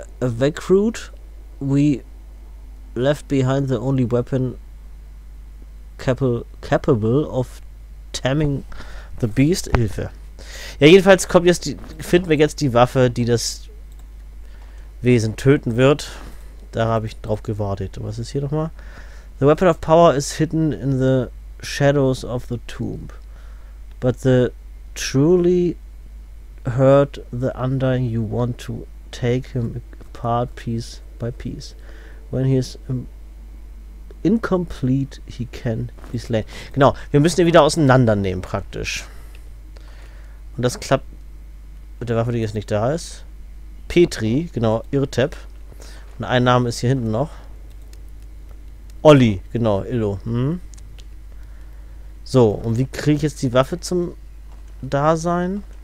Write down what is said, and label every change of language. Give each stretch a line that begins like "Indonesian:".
English: Evacuate, we left behind the only weapon capable of taming the beast.
German: Hilfe. Ja, jedenfalls kommt jetzt finden wir jetzt die Waffe, die das Wesen töten wird. Da habe ich drauf gewartet. Was ist hier nochmal?
English: The weapon of power is hidden in the shadows of the tomb. But the truly hurt the undying, you want to take him apart piece by piece. When he is incomplete, he can be slain.
German: Genau, wir müssen ihn wieder auseinandernehmen praktisch. Und das klappt mit der Waffe, die jetzt nicht da ist. Petri, genau, Irtep. Und ein Name ist hier hinten noch. Olli, genau, Illo. So, und wie kriege ich jetzt die Waffe zum Dasein?